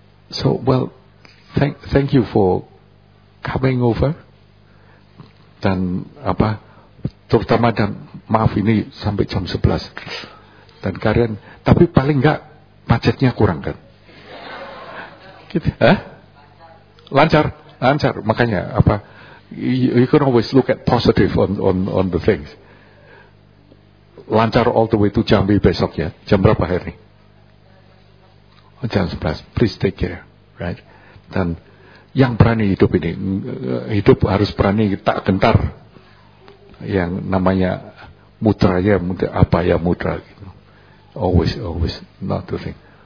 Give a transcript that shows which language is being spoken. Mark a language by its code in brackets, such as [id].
[en] So, well, thank you for coming over [id] dan terutama dan maaf ini sampai jam 11 dan kalian, tapi paling enggak macetnya kurang kan? Lancar. [en] Makanya you can always look at positive on the things. Lancar all the way to Jambi [id] besok ya. Jam berapa hari? [en] John 11, please take care, right? [id] Dan yang berani hidup ini, hidup harus berani tak gentar. Yang namanya mudraya, apa ya mudra? [en] Always, always not to think.